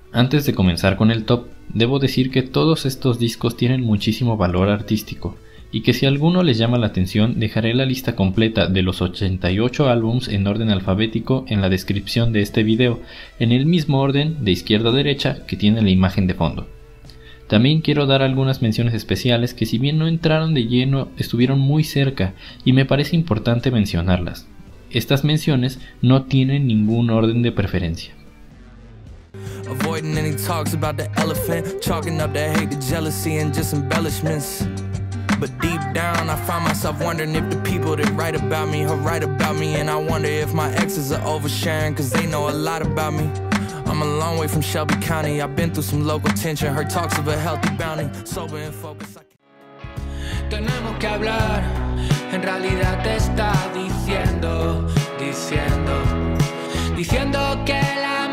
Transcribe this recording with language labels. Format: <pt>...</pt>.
<es>Antes de comenzar con el top, debo decir que todos estos discos tienen muchísimo valor artístico, y que si alguno les llama la atención, dejaré la lista completa de los 88 álbums en orden alfabético en la descripción de este video, en el mismo orden de izquierda a derecha que tiene la imagen de fondo. También quiero dar algunas menciones especiales que, si bien no entraron de lleno, estuvieron muy cerca y me parece importante mencionarlas. Estas menciones no tienen ningún orden de preferencia.</es> <en>Avoiding any talks about the elephant, chalking up the hate, the jealousy, and just embellishments. But deep down, I find myself wondering if the people that write about me are right about me. And I wonder if my exes are oversharing, cause they know a lot about me. I'm a long way from Shelby County, I've been through some local tension. Heard talks of a healthy bounty, sober and focused.</en> <es>Tenemos que hablar, en realidad te está diciendo, diciendo, diciendo que la.</es>